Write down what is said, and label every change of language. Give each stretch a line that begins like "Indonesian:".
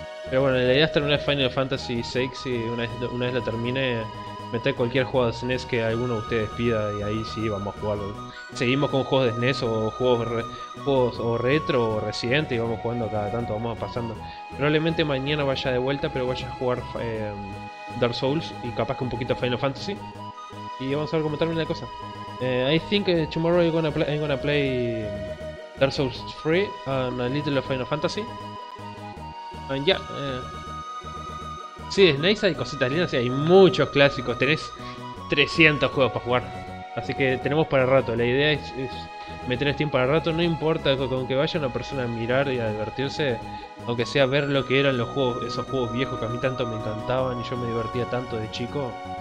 Spanish: Pero bueno, la idea es terminar Final Fantasy VI y una vez la termine, meter cualquier juego de SNES que alguno de ustedes pida y ahí sí vamos a jugarlo. Seguimos con juegos de SNES o juegos o retro o Resident y vamos jugando cada tanto, vamos pasando. Probablemente mañana vaya de vuelta, pero vaya a jugar Dark Souls y capaz que un poquito Final Fantasy. Y vamos a ver cómo termina la cosa.
English: I think tomorrow I'm gonna play Dark Souls 3 and a little of Final Fantasy. And yeah.
Spanish: Sí, es nice, hay cositas lindas y hay muchos clásicos. Tenés 300 juegos para jugar. Así que tenemos para rato. La idea es meter Steam para rato. No importa, con que vaya una persona a mirar y a divertirse, aunque sea ver lo que eran los juegos, esos juegos viejos que a mí tanto me encantaban y yo me divertía tanto de chico.